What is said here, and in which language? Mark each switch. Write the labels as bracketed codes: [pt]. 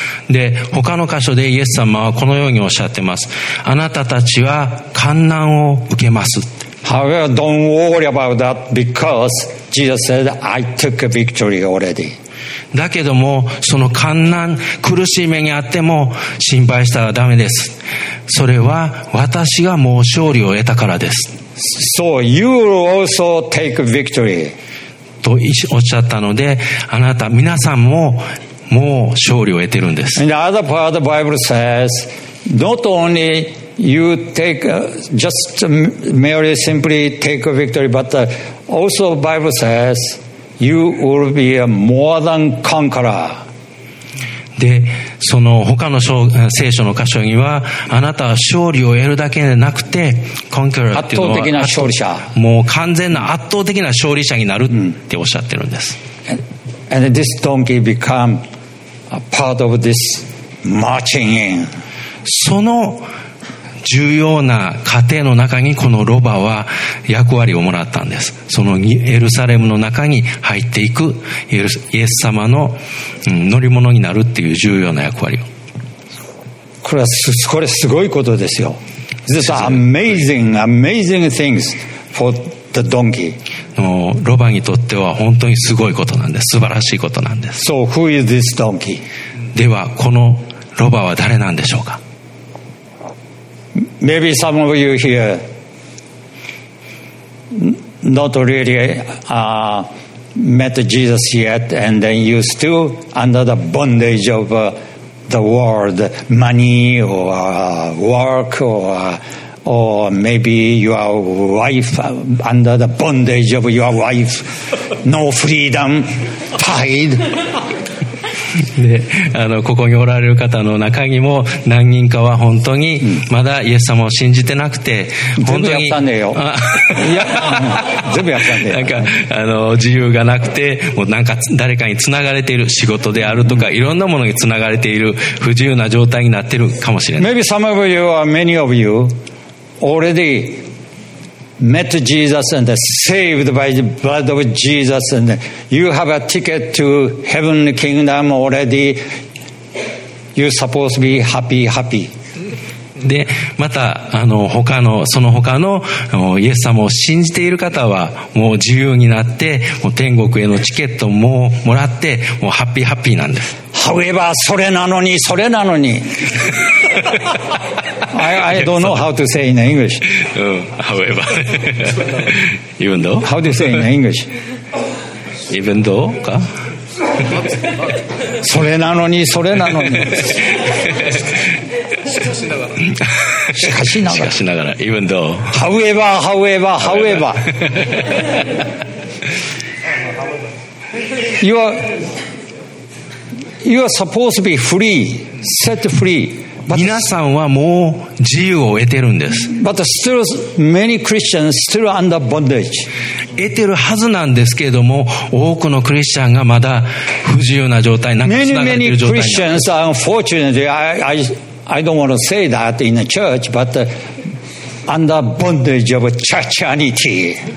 [ja] で、他の箇所でイエス様はこのようにおっしゃってます。あなたたちは患難を受けます。 [en] However, don't worry about that because Jesus said, I took a victory already. [ja] だけども、その患難、苦しい目にあっても心配したらダメです。それは私がもう勝利を得たからです。 [en] So you will also take a victory. [ja] とおっしゃったので、あなた、皆さんも、もう勝利を得てるんです。 [en] In the other part, the Bible says, not only you take, just merely simply take a victory, but also the Bible says, you will be a more than conqueror. [ja] で、その他の聖書の箇所には、あなたは勝利を得るだけでなくて、conquerorっていうのは圧倒的な勝利者。もう完全な圧倒的な勝利者になるっておっしゃってるんです。 [en] And this donkey become a part of this marching in. [ja] その重要な過程の中にこのロバは役割をもらったんです。そのエルサレムの中に入っていくイエス様の乗り物になるっていう重要な役割を。これすごいことですよ。 [en] This is amazing things for the donkey. [ja] ロバにとっては本当にすごいことなんです。素晴らしいことなんです。 [en] So who is this donkey? [ja] ではこのロバは誰なんでしょうか。 [en] Maybe some of you here not really met Jesus yet and then you still under the bondage of the world, money or work or maybe your wife under the bondage of your wife, no freedom, tied. [ja] で、ここにおられる方の中にも何人かは本当にまだイエス様を信じてなくて、本当に全部やったんだよ。いや、全部やったんだよ。なんか自由がなくて、もうなんか誰かにつながれている仕事であるとか、いろんなものにつながれている不自由な状態になってるかもしれない。 [en] Maybe some of you or many of you.Already met Jesus and saved by the blood of Jesus, and you have a ticket to heavenly kingdom already, you're supposed to be happy, happy. [ja] でまたあの他のその他のイエス様を信じている方はもう自由になって、もう天国へのチケットももらって、もうハッピーハッピーなんです。 [en] However, [ja] それなのに、それなのに [en] I don't know how to say in English、 However Even though? How do you say in English? Even though? [ja] かそれなのに、それなのにしかしながら、しかしながら、 [en] even though、 however、however、however、you are supposed to be free, set free。 [ja] 皆さんはもう自由を得てるんです。 [en] But still, many Christians still under bondage。 [ja] 得てるはずなんですけれども、多くのクリスチャンがまだ不自由な状態、なんか繋がってる状態なんです。 [en] Many Christians are unfortunately, I don't want to say that in a church, but under bondage of churchianity.